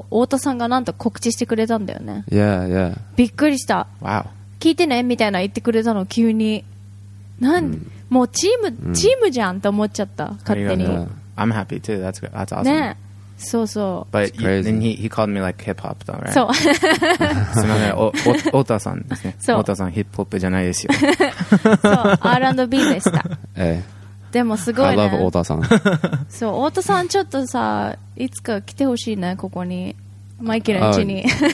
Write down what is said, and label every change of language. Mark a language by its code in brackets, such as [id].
[ja] あ、そう、あ、そう、あのね、昨日、あ、この間の爆笑問題カーボーイで、この特別編のことを太田さんがなんと告知してくれたんだよね。 [en] Yeah, yeah. [ja] びっくりした。 [en] Wow. [ja] 聞いてね、みたいな言ってくれたの、急に。なん、もうチームじゃんって思っちゃった、勝手に。 [en] Yeah. I'm happy too. That's awesome. ね。So so. But then he called me like hip hop though, right? So. [ja] すみません、太田さんですね。太田さんヒップホップじゃないですよ。 So R&B でした。でもすごいね。 [en] I love 太田さん。 [ja] So 太田さんちょっとさ、いつか来てほしいね、ここに。マイケルの家に。